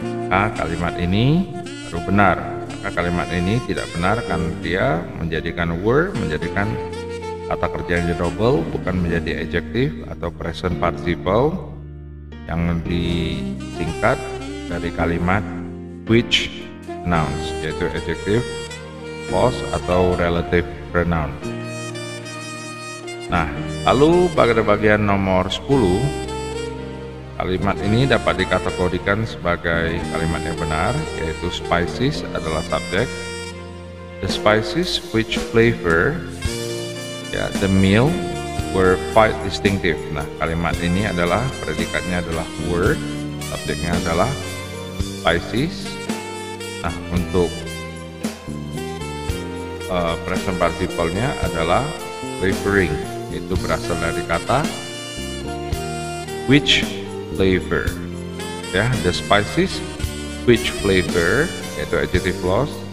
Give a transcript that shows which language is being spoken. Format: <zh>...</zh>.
<id>Maka kalimat ini baru benar. Maka kalimat ini tidak benar karena dia menjadikan were menjadikan kata kerja yang double, bukan menjadi adjective atau present participle yang disingkat dari kalimat</id> <en>which announce,</en> <id>yaitu adjective plus atau relative pronoun. Nah, lalu pada bagian nomor 10, kalimat ini dapat dikategorikan sebagai kalimat yang benar, yaitu spices adalah subjek.</id> <en>The spices which flavor, ya, the meal were quite distinctive.</en> <id>Nah, kalimat ini adalah predikatnya adalah were, subjeknya adalah spices. Nah, untuk present participle-nya adalah flavoring, itu berasal dari kata which flavor, ya,</id> <en>the spices which flavor,</en> <id>yaitu adjective plus</id>